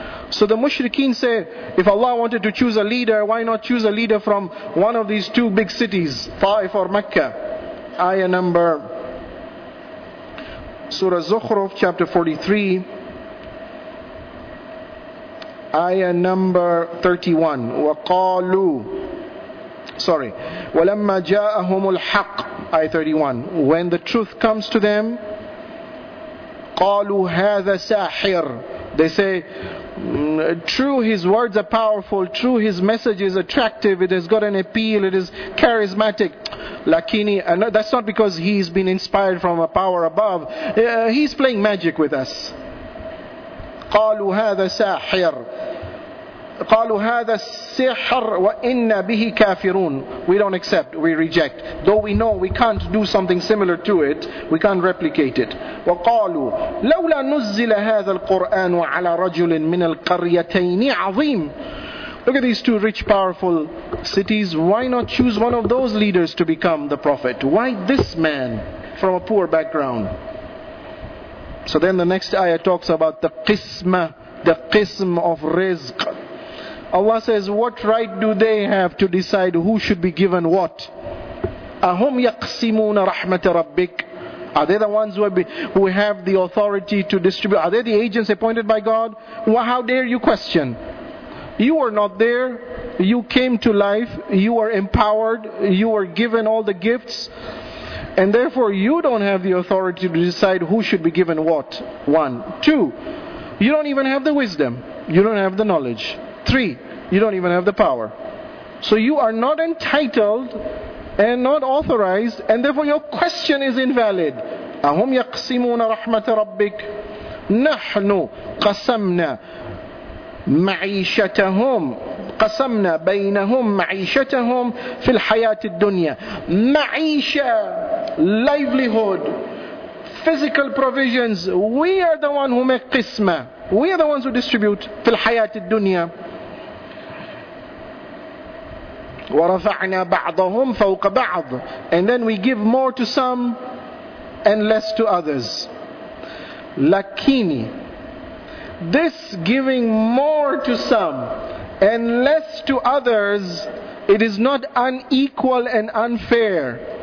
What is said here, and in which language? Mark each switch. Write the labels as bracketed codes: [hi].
[en] So the mushrikeen say, if Allah wanted to choose a leader, why not choose a leader from one of these two big cities, Taif or Mecca? Ayah number, Surah Zukhruf chapter 43, Ayah number 31, [ar] وَقَالُوا [en] Sorry. [ar] وَلَمَّا جَاءَهُمُ الْحَقِّ [en] Ayah 31. When the truth comes to them, [ar] قَالُوا هَذَا سَاحِرٌ [en] They say, true, his words are powerful. True, his message is attractive. It has got an appeal. It is charismatic. [sw] Lakini, [en] that's not because he's been inspired from a power above. He's playing magic with us. [ar] قَالُوا هَذَا سَاحِرٌ قَالُوا هَذَا السِّحْرُ وَإِنَّ بِهِ كَافِرُونَ [en] We don't accept, we reject. Though we know we can't do something similar to it, we can't replicate it. [ar] وَقَالُوا لَوْلَا نُزِّلَ هَذَا الْقُرْآنُ عَلَى رَجُلٍ مِّنَ الْقَرْيَتَيْنِ عَظِيمٍ [en] Look at these two rich, powerful cities. Why not choose one of those leaders to become the prophet? Why this man from a poor background? So then the next ayah talks about the qisma, the qism of rizq. Allah says, what right do they have to decide who should be given what? [ar] أَهُمْ يَقْسِمُونَ رَحْمَةَ رَبِّكَ [en] Are they the ones who have the authority to distribute? Are they the agents appointed by God? Well, how dare you question? You are not there. You came to life. You are empowered. You are given all the gifts. And therefore, you don't have the authority to decide who should be given what? One. Two, you don't even have the wisdom. You don't have the knowledge. Three, you don't even have the power. So you are not entitled and not authorized, and therefore your question is invalid. [ar] أَهُمْ يَقْسِمُونَ رَحْمَةَ رَبِّكَ نَحْنُ قَسَمْنَا مَعِيشَتَهُمْ قَسَمْنَا بَيْنَهُمْ مَعِيشَتَهُمْ فِي الْحَيَاةِ الدُّنْيَا مَعِيشَ [en] livelihood, physical provisions. We are the one who make qisma. We are the ones who distribute [ar] فِي الْحَيَاةِ الدُّنْيَا وَرَفَعْنَا بَعْضَهُمْ فَوْقَ بَعْضٍ [en] And then we give more to some and less to others. [sw] لَكِينِ [en] This giving more to some and less to others, it is not unequal and unfair.